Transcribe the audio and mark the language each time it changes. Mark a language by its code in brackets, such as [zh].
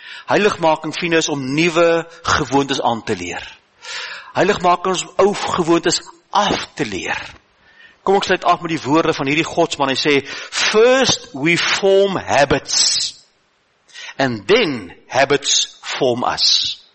[af] Heiligmaking vind is om nuwe gewoontes aan te leer. Heiligmaking is om ou gewoontes af te leer. Kom, ek sluit af met die woorde van hierdie godsman. [en] Hy sê, first we form habits, and then habits form us.